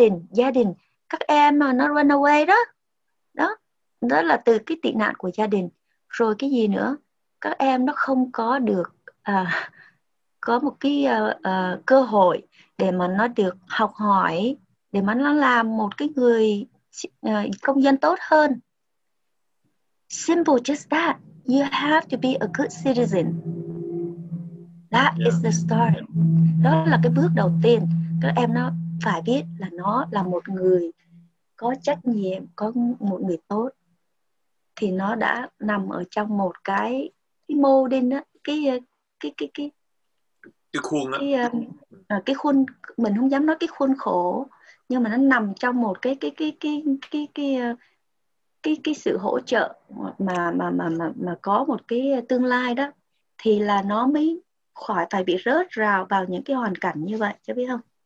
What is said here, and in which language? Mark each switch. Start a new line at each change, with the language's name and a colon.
Vietnamese: Gia đình các em nó
English: run away
Vietnamese: đó, đó đó là từ cái tị nạn của gia đình. Rồi cái gì nữa, các em nó không có được có một cái cơ hội để mà nó được học hỏi, để mà nó làm một cái người công dân tốt hơn.
English: Simple just that. You have to be a good citizen. That is the start.
Vietnamese: Đó là cái bước đầu tiên. Các em nó phải biết là nó là một người có trách nhiệm, có một người tốt. Thì nó đã nằm ở trong một cái mô đen đó, cái khuôn, mình không dám nói cái khuôn khổ, nhưng mà nó nằm trong một cái sự hỗ trợ mà có một cái tương lai đó, thì là nó mới khỏi phải bị rớt rào vào những cái hoàn cảnh như vậy, cho biết không?